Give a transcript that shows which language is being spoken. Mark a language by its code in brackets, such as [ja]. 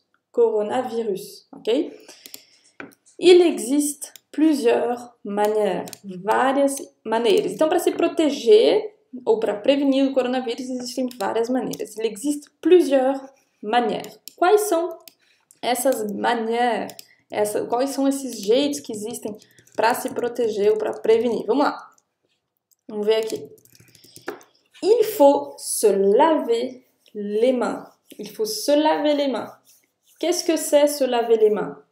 [fr] Coronavirus, ok? Il existe plusieurs manières, [pt] várias maneiras. Então, para se proteger ou para prevenir o coronavírus, existem várias maneiras. [fr] Il existe plusieurs manières. [pt] Quais são essas manières? Quais são esses jeitos que existem para se proteger ou para prevenir? Vamos lá. Vamos ver aqui. [fr] Il faut se laver les mains. Il faut se laver les mains. Qu'est-ce que c'est se laver les mains?